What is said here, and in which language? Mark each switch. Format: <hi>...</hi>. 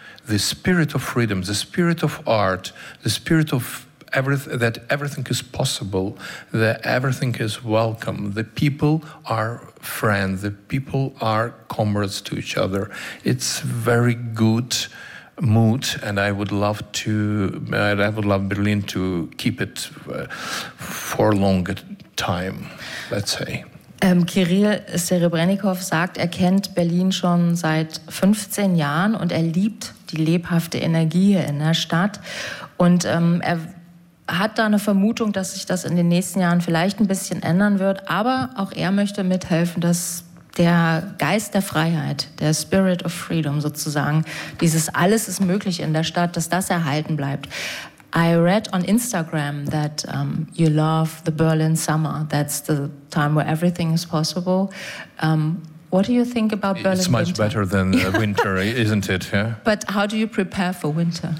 <en>The spirit of freedom, the spirit of art, the spirit of that everything is possible, that everything is welcome. The people are friends, the people are comrades to each other. It's very good mood, and I would love Berlin to keep it for longer time, let's say.</en> <de>Kirill Serebrennikov sagt, er kennt Berlin schon seit 15 Jahren und er liebt die lebhafte Energie hier in der Stadt. Und er hat da eine Vermutung, dass sich das in den nächsten Jahren vielleicht ein bisschen ändern wird. Aber auch er möchte mithelfen, dass der Geist der Freiheit, der</de> <en>Spirit of Freedom</en> <de>sozusagen, dieses alles ist möglich in der Stadt, dass das erhalten bleibt.</de> <en>I read on Instagram that you love the Berlin summer. That's the time where everything is possible. What do you think about it's Berlin winter? It's much better than winter, isn't it? Yeah? But how do you prepare for winter?</en>